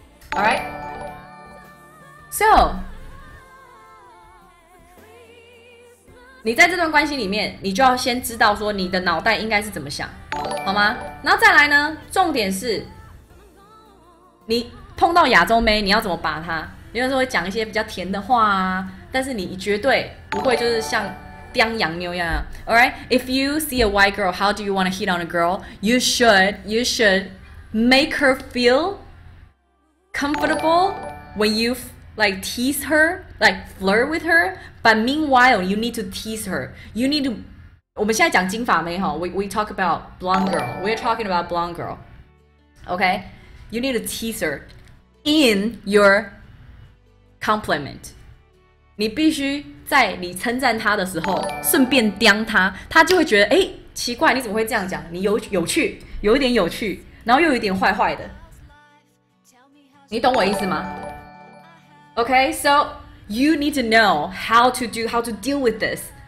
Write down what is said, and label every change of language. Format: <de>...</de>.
<zh>All right， so 你在这段关系里面，你就要先知道说你的脑袋应该是怎么想，好吗？然后再来呢，重点是你碰到亚洲妹，你要怎么把她？有人说会讲一些比较甜的话啊，但是你绝对不会就是像叼洋妞一样。</zh> <en>All right, if you see a white girl, how do you want to hit on a girl? You should make her feel comfortable when you like tease her, like flirt with her. But meanwhile, you need to tease her. You need to.</en> <zh>我们现在讲金发妹哈</zh> <en>we talk about blonde girl. We're talking about blonde girl. Okay, you need to tease her in your compliment.</en> <zh>你必须在你称赞她的时候顺便刁她，她就会觉得哎奇怪，你怎么会这样讲？你有趣，有一点有趣，然后又有一点坏坏的。你懂我意思吗 ？Okay, so.</zh> <en>You need to know how to deal with this.</en>